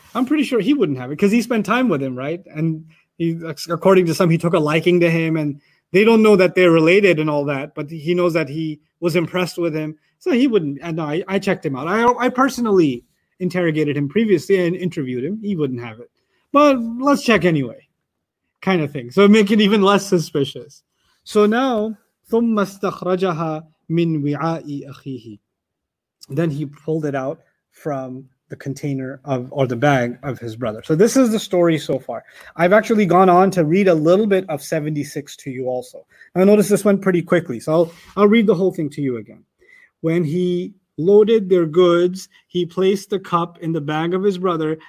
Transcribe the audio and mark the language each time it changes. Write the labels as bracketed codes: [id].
[en] I'm pretty sure he wouldn't have it because he spent time with him, right? And he, according to some, he took a liking to him, and they don't know that they're related and all that, but he knows that he was impressed with him. So he wouldn't. And I checked him out. I personally interrogated him previously and interviewed him. He wouldn't have it. But let's check anyway, kind of thing. So make it even less suspicious. So now, [ar] ثُمَّ اسْتَخْرَجَهَا مِنْ وِعَاءِ أَخِيهِ. [en] Then he pulled it out from the container of, or the bag of his brother. So this is the story so far. I've actually gone on to read a little bit of 76 to you also. Now notice this went pretty quickly. So I'll read the whole thing to you again. When he loaded their goods, he placed the cup in the bag of his brother.